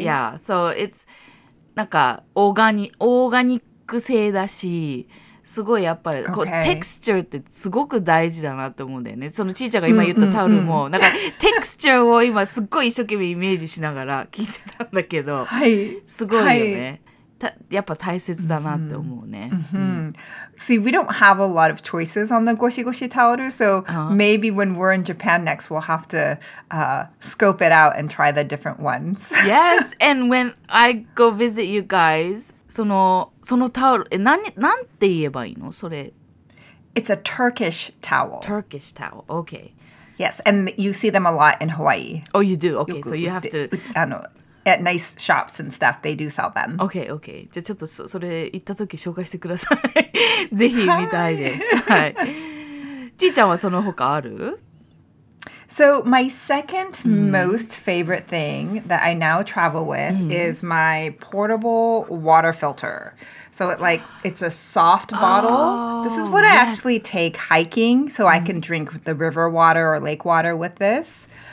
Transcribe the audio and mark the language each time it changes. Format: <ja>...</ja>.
<en>Yeah, so it's</en> <ja>なんかオーガニック製だし、すごいやっぱり、okay. こうテクスチャーってすごく大事だなと思うんだよね。そのちーちゃんが今言ったタオルも、なんかテクスチャーを今すっごい一生懸命イメージしながら聞いてたんだけど、はい、すごいよね、はい、やっぱ大切だなって思うね、 mm-hmm. Mm-hmm.</ja> <en>See, we don't have a lot of choices on the Goshi Goshi towel, so maybe when we're in Japan next, we'll have to scope it out and try the different ones. Yes, and when I go visit you guys,</en> <ja>そのタオル、なんて言えばいいの？それ。</ja> <en>It's a Turkish towel. Turkish towel. Okay. Yes, and you see them a lot in Hawaii. Oh, you do? Okay, so you have to... At nice shops and stuff, they do sell them. Okay, okay.</en> <ja>じゃあちょっと それ行った時紹介してください。ぜひ見たいです。はい。ちーちゃんはその他ある？</ja> <en>So, my second most favorite thing that I now travel with is my portable water filter. So, it's a soft bottle. This is what I actually take hiking, so I can drink the river water or lake water with this.</en>